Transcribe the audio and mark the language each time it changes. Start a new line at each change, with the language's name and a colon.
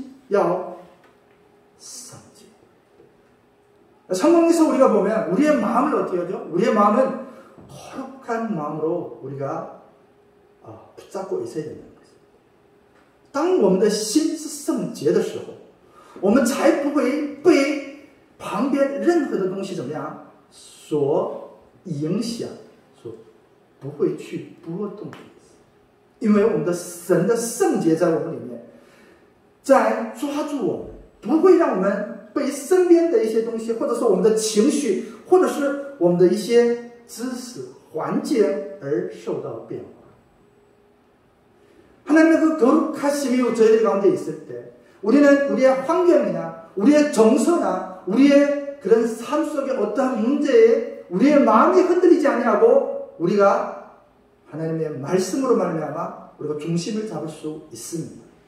Chinese: 但是在圣经里面说，我们的心是什么？我们的心要圣洁。
Korean: 성경에서 우리가 보면 우리의 마음을 어떻게 하죠? 우리의 마음은 거룩한 마음으로 우리가 붙잡고 있어야 되는 거죠.
Chinese: 当我们的心是圣洁的时候， 我们才不会被旁边任何的东西怎么样所影响，所不会去波动的意思，因为我们的神的圣洁在我们里面，在抓住我们，不会让我们被身边的一些东西，或者说我们的情绪，或者是我们的一些知识环境而受到变化。
Korean: 하나님의 그 거룩하심이 저희들 가운데 있을 때 우리는 우리의 환경이나 우리의 정서나 우리의 그런 삶 속에 어떠한 문제에 우리의 마음이 흔들리지 않냐고 우리가 하나님의 말씀으로 말미암아 우리가 중심을 잡을 수 있습니다.